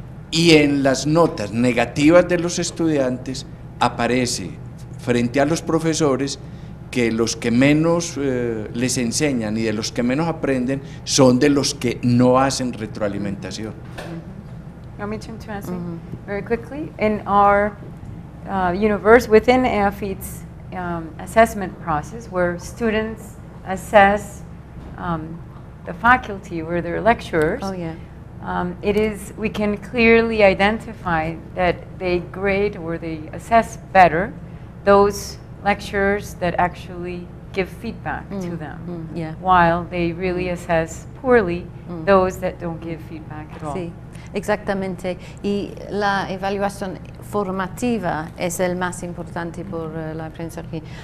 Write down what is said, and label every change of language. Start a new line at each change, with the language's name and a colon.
Spanish: Y en las notas negativas de los estudiantes aparece, frente a los profesores, que los que menos les enseñan y de los que menos aprenden son de los que no hacen retroalimentación.
English: Mm-hmm. Let me turn to answer very quickly. In our universe, within AFIT's assessment process, where students assess the faculty or their lecturers, oh, yeah. We can clearly identify that they grade or they assess better those lecturers that actually give feedback to them, yeah. While they really assess poorly those that don't give feedback at all.
Spanish: Sí, exactamente. Y la evaluación formativa es el más importante por la aprendizaje.